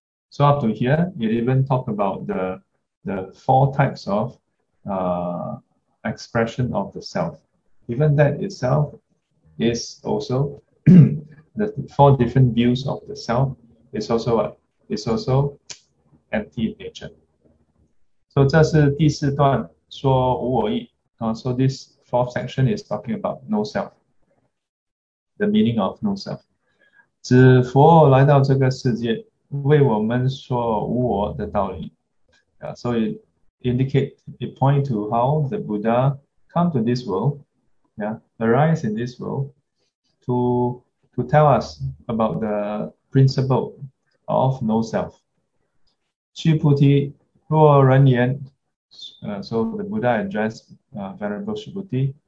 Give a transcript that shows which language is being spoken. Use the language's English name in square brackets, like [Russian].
[English] So up to here, it even talk about the four types of expression of the self. Even that itself is also the four different views of the self. It's also what? It's also empty in nature. [Chinese] So 这是第四段说无我意. [English] So this fourth section is talking about no self, the meaning of no self. [Chinese] 只佛来到这个世界为我们说无我的道理. [English] So it indicate, it point to how the Buddha come to this world arise in this world to tell us about the principle of no self. [Chinese] 须菩提，若人言, [English] so the Buddha addressed Venerable Shubhuti.